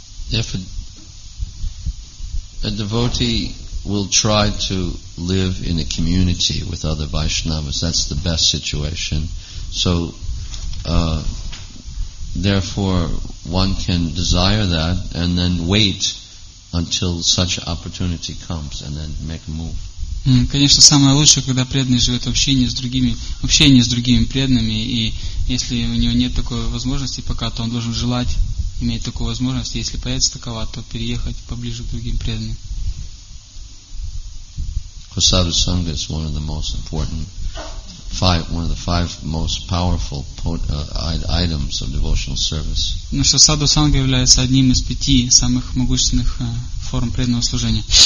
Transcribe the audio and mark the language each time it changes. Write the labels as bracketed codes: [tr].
[en] If a devotee will try to live in a community with other Vaishnavas, that's the best situation. So, therefore, one can desire that and then wait until such opportunity comes and then make a move. [ru] Конечно, самое лучшее, когда преданный живет в общении с другими, общении с другими преданными, и если у него нет такой возможности пока, то он должен желать иметь такую возможность, если появится такова, то переехать поближе к другим преданным. [en] Kosada Sangha is one of the most important one of the five most powerful items of devotional service. [ru] Саду Санга является одним из пяти самых могущественных форм преданного служения.